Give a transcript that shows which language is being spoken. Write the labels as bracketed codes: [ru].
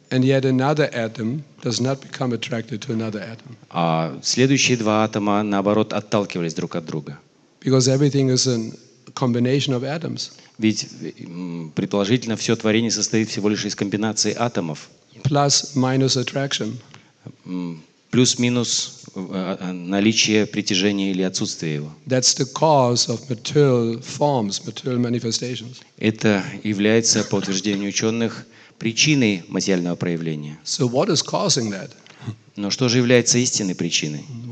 [en] And yet another atom does not become attracted to another atom. [ru] А следующие два атома, наоборот, отталкивались друг от друга. [en] Because everything is a combination of atoms. [ru] Ведь предположительно все творение состоит всего лишь из комбинации атомов. [en] Plus minus attraction. [ru] Плюс-минус наличие притяжения или отсутствие его. [en] That's the cause of material forms, material manifestations. [ru] Это является, по утверждению ученых, причиной материального проявления. [en] So what is causing that? [ru] Но что же является истинной причиной?